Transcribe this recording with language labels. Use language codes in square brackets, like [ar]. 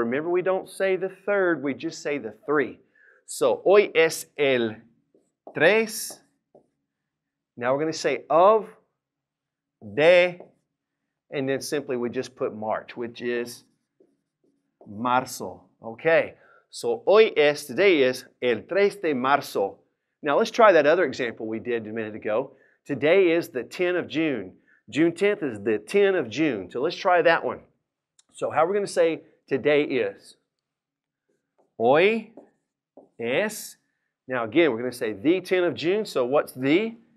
[en] Remember, we don't say the 3rd, we just say the 3. So [es] hoy es el 3. [en] Now we're going to say of, de, and then simply we just put March, which is marzo. Okay, so [es] hoy es, [en] today is [es] el 3 de marzo. [en] Now let's try that other example we did a minute ago. Today is the 10th of June. June 10th is the 10th of June. So let's try that one. So how are we going to say today is? [es] Hoy es. [en] Now again, we're going to say the 10th of June. So what's the?